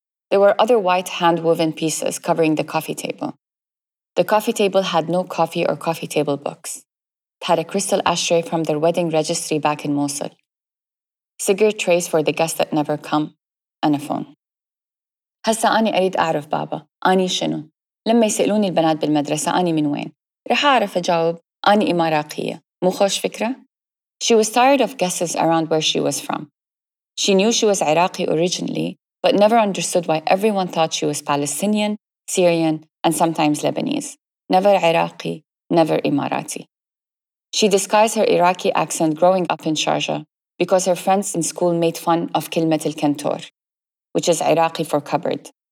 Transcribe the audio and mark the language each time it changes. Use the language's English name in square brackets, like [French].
[English] There were other white hand-woven pieces covering the coffee table. The coffee table had no coffee or coffee table books. It had a crystal ashtray from their wedding registry back in Mosul. Cigarette trays for the guests that never come. And a phone. [Arabic] هسا أنا أريد أعرف بابا. أنا شنو؟ لما يسألوني البنات بالمدرسة أنا من وين؟ رح أعرف أجاوب. أنا إماراقية. مو خوش فكرة؟ [English] She was tired of guesses around where she was from. She knew she was Iraqi originally, but never understood why everyone thought she was Palestinian, Syrian, and sometimes Lebanese. Never Iraqi, never Emirati. She disguised her Iraqi accent growing up in Sharjah because her friends in school made fun of Kilmet al-Kantor, which is Iraqi for cupboard.